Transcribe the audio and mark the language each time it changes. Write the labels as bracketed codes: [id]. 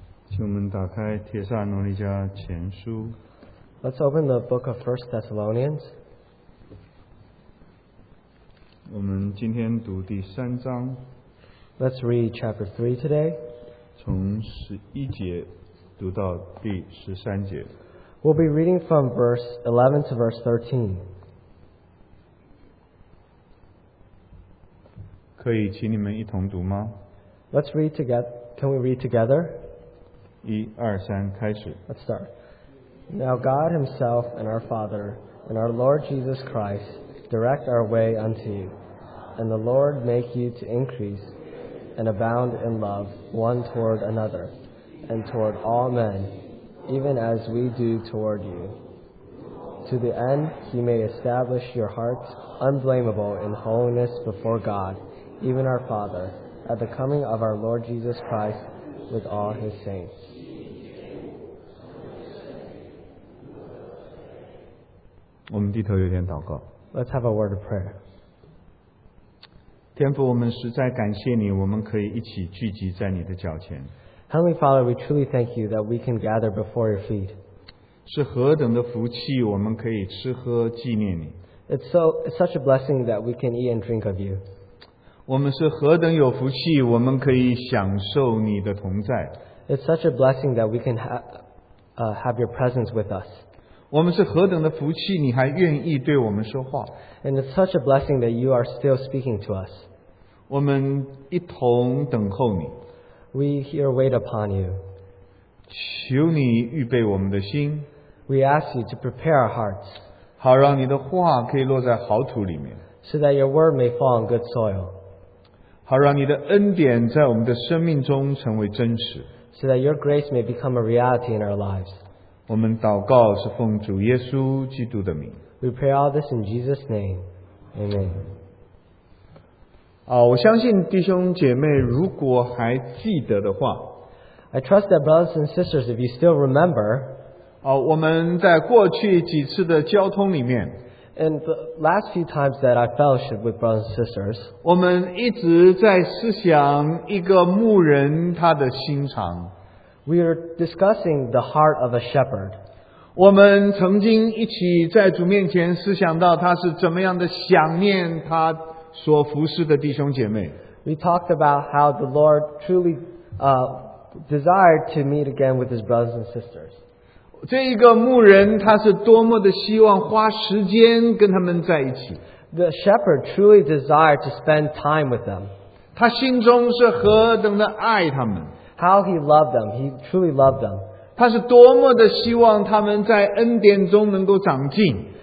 [zh] 请我们打开《帖撒罗尼迦前书》。 [en] Let's open the book of 1 Thessalonians. [zh] 我们今天读第三章。 [en] Let's read chapter 3 today. [zh] 从十一节读到第十三节。 [en] We'll be reading from verse 11 to verse 13. [zh] 可以请你们一同读吗 [en] ？Let's read together. Can we read together? [zh] 一二三，开始。 [en] Let's start. Now God Himself and our Father and our Lord Jesus Christ direct our way unto you, and the Lord make you to increase and abound in love one toward another, and toward all men, even as we do toward you, to the end He may establish your hearts unblameable in holiness before God, even our Father, at the coming of our Lord Jesus Christ with all His saints. [zh] 我们低头有点祷告。 [en] Let's have a word of prayer. [zh] 天父，我们实在感谢你，我们可以一起聚集在你的脚前。 [en] Heavenly Father, we truly thank you that we can gather before your feet. [zh] 是何等的福气，我们可以吃喝纪念你。 [en] It's such a blessing that we can eat and drink of you. [zh] 我们是何等有福气，我们可以享受你的同在。 [en] It's such a blessing that we can have your presence with us. [zh] 我们是何等的福气，你还愿意对我们说话。 [en] And it's such a blessing that you are still speaking to us. [zh] 我们一同等候你。 [en] We here wait upon you. [zh] 求你预备我们的心。 [en] We ask you to prepare our hearts. [zh] 好让你的话可以落在好土里面。 [en] So that your word may fall on good soil. [zh] 好让你的恩典在我们的生命中成为真实。 [en] So that your grace may become a reality in our lives. [zh] 我们祷告是奉主耶稣基督的名。 [en] We pray all this in Jesus' name. Amen. [zh] 我相信弟兄姐妹如果还记得的话。 [en] I trust that brothers and sisters, if you still remember. [zh] 我们在过去几次的交通里面。 [en] In the last few times that I fellowship with brothers and sisters. [zh] 我们一直在思想一个牧人他的心肠。 [en] We are discussing the heart of a shepherd. [zh] 我们曾经一起在主面前思想到他是怎么样的想念他所服侍的弟兄姐妹。 [en] We talked about how the Lord truly desired to meet again with his brothers and sisters. [zh] 这一个牧人他是多么的希望花时间跟他们在一起。 [en] The shepherd truly desired to spend time with them. [zh] 他心中是何等的爱他们。 [en] How he loved them, he truly loved them. [zh] 他是多么的希望他们在恩典中能够长进。